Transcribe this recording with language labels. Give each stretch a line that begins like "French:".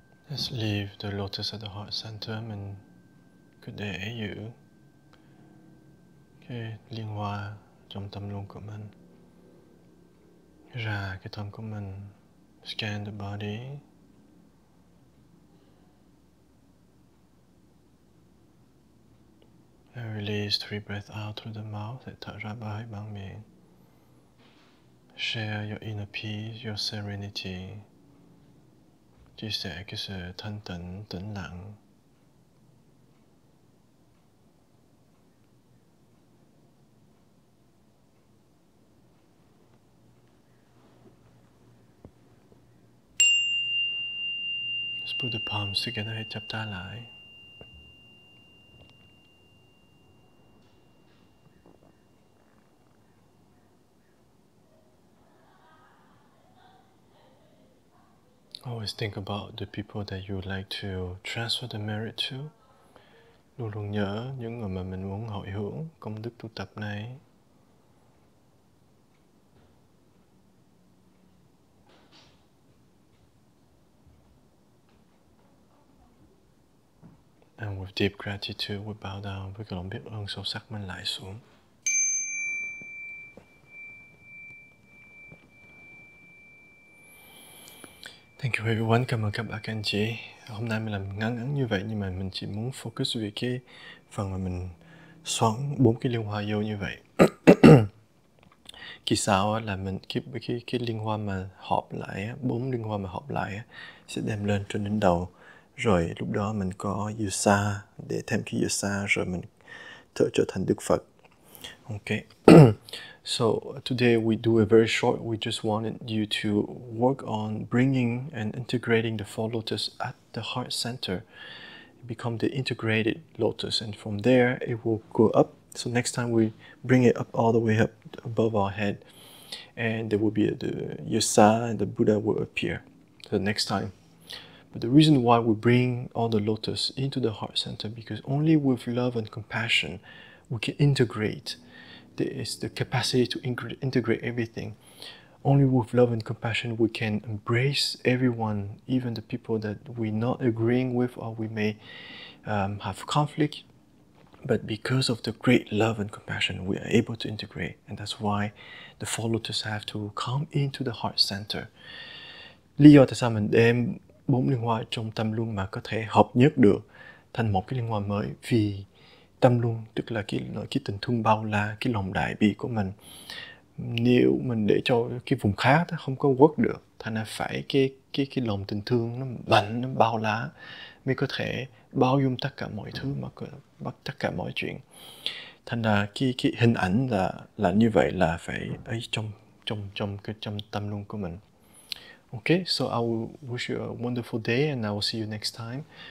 English: Just leave the lotus at the heart center and good day to you.
Vietnamese: Cái liên hoa trong tâm luôn của mình. Ra cái tâm của mình.
English: Scan the body. And release three breaths out through the mouth.
Vietnamese: Để thở ra ba hơi bằng miệng.
English: Share your inner peace, your serenity.
Vietnamese: Chia sẻ cái sự thanh tịnh, tĩnh lặng.
English: Just put the palms together,
Vietnamese: hãy chắp tay lại.
English: Always think about the people that you would like to transfer the merit to.
Vietnamese: Luôn luôn nhớ những người mà mình muốn hồi hướng công đức tu tập này.
English: And with deep gratitude, we bow down
Vietnamese: với cái lòng biết ơn sâu sắc mình lại xuống.
English: Thank you everyone,
Vietnamese: cảm ơn các bạn anh chị. Hôm nay mình làm ngắn ngắn như vậy nhưng mà mình chỉ muốn focus về cái phần mà mình xoắn bốn cái liên hoa vô như vậy. Kỳ sau là mình cái liên hoa mà họp lại, bốn liên hoa mà họp lại sẽ đem lên trên đỉnh đầu. Rồi lúc đó mình có yusa để thêm cái yusa rồi mình trở thành Đức Phật.
English: Ok. So today we do a very short, we just wanted you to work on bringing and integrating the four lotus at the heart center, become the integrated lotus, and from there it will go up. So next time we bring it up all the way up above our head, and there will be the Yasa and the Buddha will appear the next time. But the reason why we bring all the lotus into the heart center, because only with love and compassion we can integrate. Is the capacity to integrate everything. Only with love and compassion we can embrace everyone, even the people that we're not agreeing with or we may have conflict, but because of the great love and compassion we are able to integrate. And that's why the four lotus have to come into the heart center.
Vietnamese: Lý do tại sao mình đem bốn liên hoa trong tâm luôn mà có thể hợp nhất được thành một cái liên hoa mới, vì tâm luôn, tức là cái tình thương bao la, cái lòng đại bi của mình. Nếu mình để cho cái vùng khác nó không có work được, thành ra phải cái lòng tình thương nó mạnh, nó bao la mới có thể bao dung tất cả mọi thứ mà bắt tất cả mọi chuyện. Thành ra cái hình ảnh là như vậy, là phải ấy trong tâm luôn của mình.
English: Ok, so I will wish you a wonderful day and I will see you next time.